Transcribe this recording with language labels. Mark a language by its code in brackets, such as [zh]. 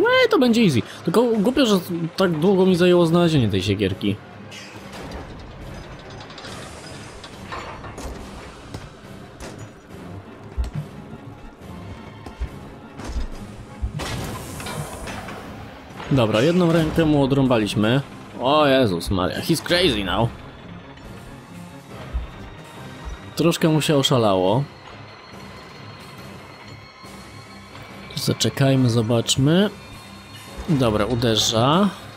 [pl] To będzie easy. Tylko głupio, że tak długo mi zajęło znalezienie tej siekierki. Dobra, jedną rękę mu odrąbaliśmy. O Jezus Maria, [en] he's crazy now. [pl] Troszkę mu się oszalało. Zaczekajmy, zobaczmy. Dobra, uderza.